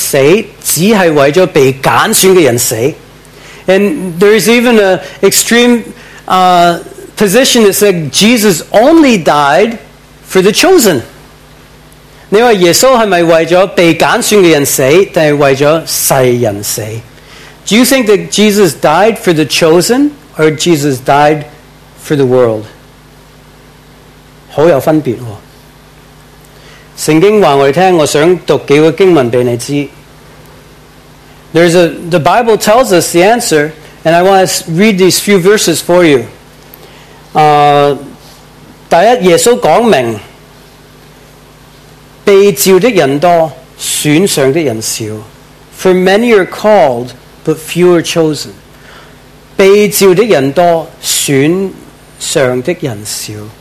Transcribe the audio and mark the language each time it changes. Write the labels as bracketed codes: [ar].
[zh] 他亦都说，耶稣死只是为了被拣选的人死。 [en] And there's even an extreme position that said Jesus only died for the chosen. [zh] 你说耶稣是不是为了被拣选的人死，还是为了世人死？ [en] Do you think that Jesus died for the chosen, or Jesus died for the world? [zh] 很有分别。圣经告诉我们，我想读几个经文给你知。There's [en] a, the Bible tells us the answer, and I want to read these few verses for you. [zh] 第一，耶稣讲明，被召的人多，选上的人少。 [en] For many are called, but few are chosen. [zh] 被召的人多，选上的人少。